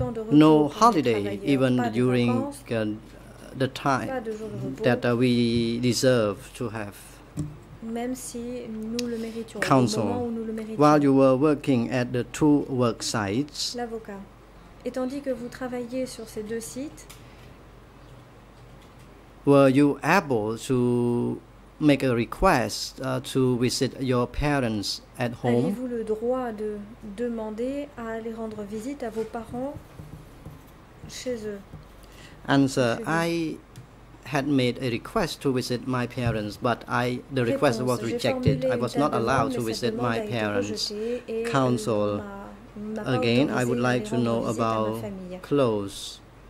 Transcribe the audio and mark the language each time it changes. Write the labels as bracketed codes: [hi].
[en] No holiday even during the time that we deserve to have. [fr] Même si nous le méritions. [en] Counsel, while you were working at the two work sites, [fr] l'avocat, et tandis que vous travailliez sur ces deux sites, [en] were you able to make a request to visit your parents at home? [fr] Avez-vous le droit de demander à aller rendre visite à vos parents chez eux. [en] And sir, I had made a request to visit my parents, but the request was rejected. I was not allowed to visit my parents' council. Again, I would like to know about clothes.